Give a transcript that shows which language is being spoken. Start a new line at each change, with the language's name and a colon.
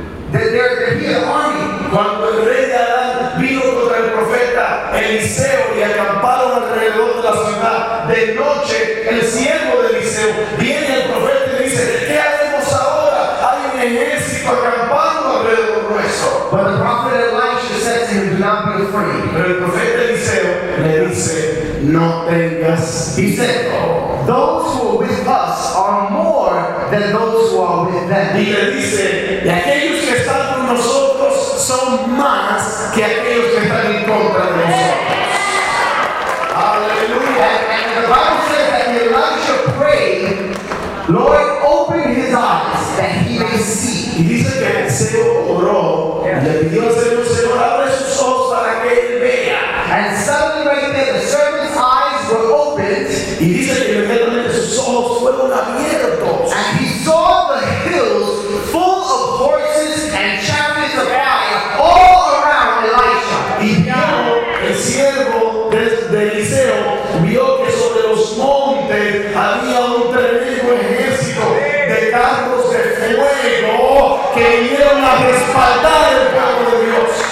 English: There's an army.
Spanish: Cuando el rey de Aram vino contra el profeta Eliseo y acamparon alrededor de la ciudad de noche, el siervo viene el profeta y dice, ¿qué haremos ahora? Hay un ejército acampando alrededor nuestro.
English: But the prophet Elisha says to him, do not be afraid.
Spanish: Pero el profeta Eliseo le dice, no tengas miedo.
English: He said, those who are with us are more than those who are with them.
Spanish: Y le dice, y aquellos que están con nosotros son más que aquellos que están en contra de nosotros. Aleluya.
English: And the Bible says, Elisha prayed, Lord, open his eyes that he may see.
Spanish: Y dice que Eliseo oró, le pidió al Señor, Señor, abre sus ojos para que él vea.
English: And suddenly right there, the servant's eyes were opened.
Spanish: Y dice que inmediatamente sus ojos fueron abiertos.
English: And he saw the hills full of horses and chariots of fire all around Elisha.
Spanish: Y vio el siervo desde de Eliseo, vio que sobre los montes había un tremendo ejército de carros de fuego que vinieron a respaldar el pueblo de Dios.